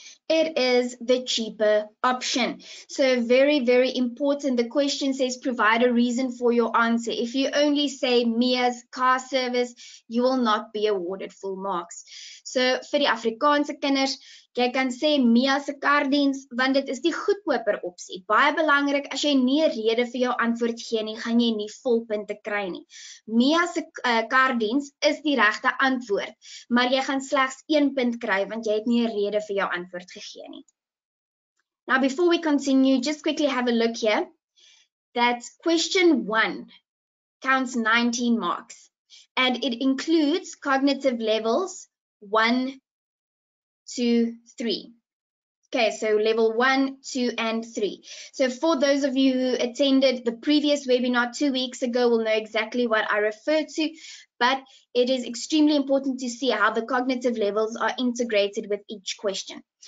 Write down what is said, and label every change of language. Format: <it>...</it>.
<en>It is the cheaper option. So very, very important. The question says provide a reason for your answer. If you only say Mia's car service, you will not be awarded full marks.</en> <af>So vir die Afrikaanse kinders, jy kan sê Mia se kardiens, want dit is die goedkoper opsie. Baie belangrik, as jy nie 'n rede vir jou antwoord gee nie, gaan jy nie volpunte kry nie. Mia se kardiens is die regte antwoord, maar jy gaan slegs 1 punt kry, want jy het nie 'n rede vir jou antwoord gegee nie.</af> <en>Now, before we continue, just quickly have a look here. That's question 1 counts 19 marks, and it includes cognitive levels 1, 2, 3. Okay, so level 1, 2, and 3. So for those of you who attended the previous webinar 2 weeks ago will know exactly what I refer to, but it is extremely important to see how the cognitive levels are integrated with each question.</en>